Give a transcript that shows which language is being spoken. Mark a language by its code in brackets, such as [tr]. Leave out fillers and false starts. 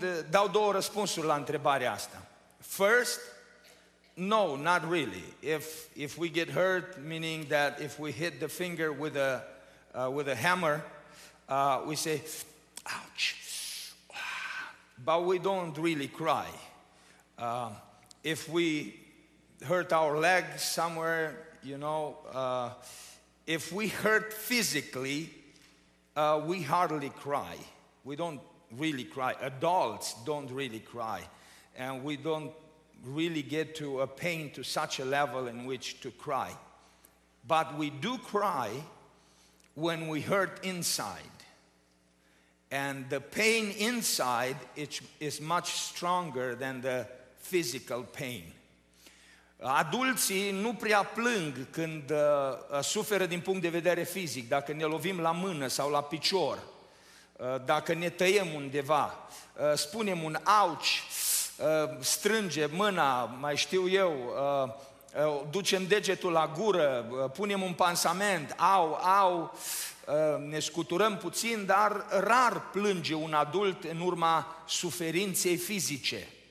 [ro] Dau două răspunsuri la întrebarea asta. [en] First, no, not really. If we get hurt, meaning that if we hit the finger with a hammer, we say, ouch. But we don't really cry. If we hurt our leg somewhere, you know, if we hurt physically, we hardly cry. We don't really cry. Adults don't really cry. And we don't really get to a pain to such a level in which to cry. But we do cry when we hurt inside. And the pain inside is much stronger than the physical pain. [ro] Adulții nu prea plâng când suferă din punct de vedere fizic, dacă ne lovim la mână sau la picior, dacă ne tăiem undeva, spunem un ouch, strânge mâna, mai știu eu, ducem degetul la gură, punem un pansament, au, ne scuturăm puțin, dar rar plânge un adult în urma suferinței fizice.